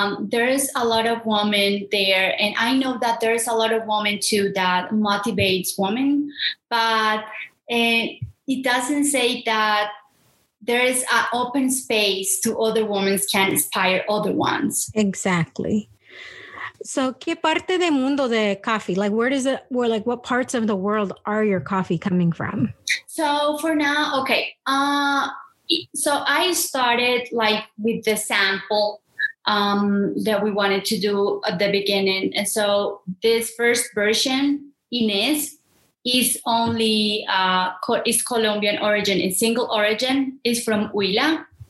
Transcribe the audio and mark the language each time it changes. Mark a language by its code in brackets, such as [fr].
[en] There is a lot of women there, and I know that there is a lot of women too that motivates women, but it doesn't say that there is an open space to other women can inspire other ones. Exactly. [es] So, ¿qué parte del mundo de coffee? [en] Like, where does it, where, like, what parts of the world are your coffee coming from? So, for now, okay. So, I started, like, with the sample that we wanted to do at the beginning. And so, this first version, Inés, is only is Colombian origin, is single origin, is from Huila.